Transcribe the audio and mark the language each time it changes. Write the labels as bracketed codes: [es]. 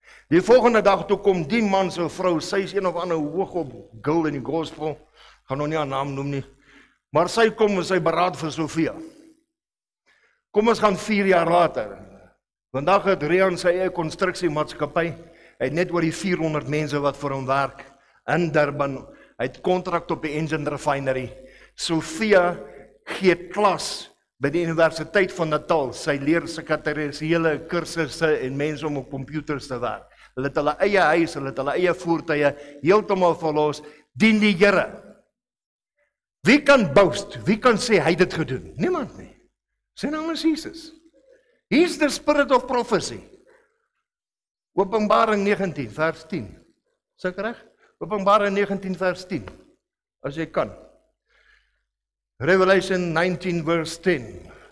[af] Die volgende dag toe kom die man se vrou, sy is een of ander hoog op guild in die gospel, gaan nog nie haar naam noem nie, maar sy kom en sy beraad vir Sofia. Kom ons gaan 4 jaar later, vandag het Rian sy eie constructiemaatskappy, hy het net oor die 400 mense wat vir hom werk in Durban. Hy het contract op die engine refinery. Sofia gee klas by die Universiteit van Natal. Sy leer sekretariële kursusse en mense om op computers te werk. Hulle het hulle eie huis, hulle het hulle eie voertuie, heeltemal verlos, dien die Here. Wie kan boast? Wie kan sê hy het dit gedoen? Niemand nie. Sy naam is Jesus. [en] He is the spirit of prophecy. [af] Openbaring 19 vers 10. Is ek reg? Openbaring 19 vers 10. As jy kan. [en] Revelation 19 verse 10.